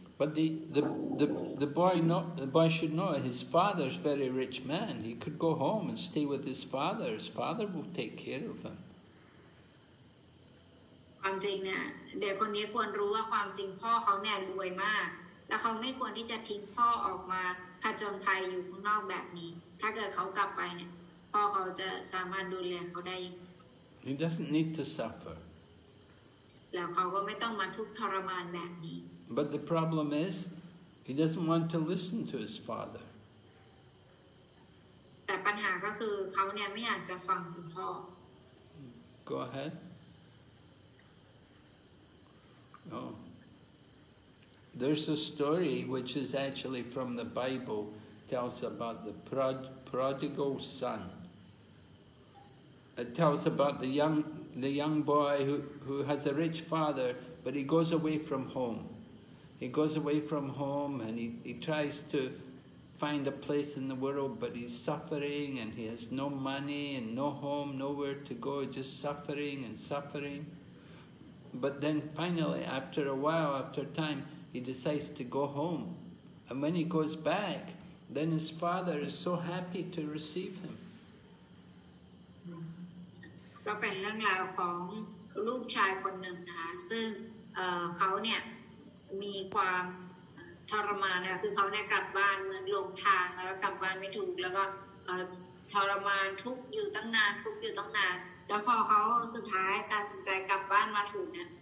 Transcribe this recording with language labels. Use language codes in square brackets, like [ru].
[en] But the boy should know his father's very rich man he could go home and stay with his father will take care of him [th] ความจริงเนี่ยเด็กคนนี้ควรรู้ว่าความจริงพ่อเขาเนี่ยรวยมากและเขาไม่ควรที่จะทิ้งพ่อออกมาถ้าจนภัยอยู่ข้างนอกแบบนี้ถ้าเกิดเขากลับไปเนี่ยพ่อเขาจะสามารถดูแลเขาได้ [en] He doesn't need to suffer [th] แล้วเขาก็ไม่ต้องมาทุกข์ทรมานแบบนี้ [en] But the problem is he doesn't want to listen to his father [th] แต่ปัญหาก็คือเขาเนี่ยไม่อยากจะฟังคุณพ่อ [en] Go ahead Oh. There's a story which is actually from the Bible, tells about the prodigal son. It tells about the young boy who has a rich father, but he goes away from home. He goes away from home and he tries to find a place in the world, but he's suffering and he has no money and no home, nowhere to go, just suffering and suffering. But then finally, after a while, after time,He decides to go home, and when he goes back, then his father is so happy to receive him. [th] ก็เป็นเรื่องราวของลูกชายคนหนึ่งนะคะซึ่งเขาเนี่ยมีความทรมานนะคือเขาเนี่ยกลับบ้านเหมือนหลงทางแล้วก็กลับบ้านไม่ถูกแล้วก็ทรมานทุกอยู่ตั้งนานทุกอยู่ตั้งนานแล้วพอเขาสุดท้ายตัดสินใจกลับบ้านมาถูกเนี่ย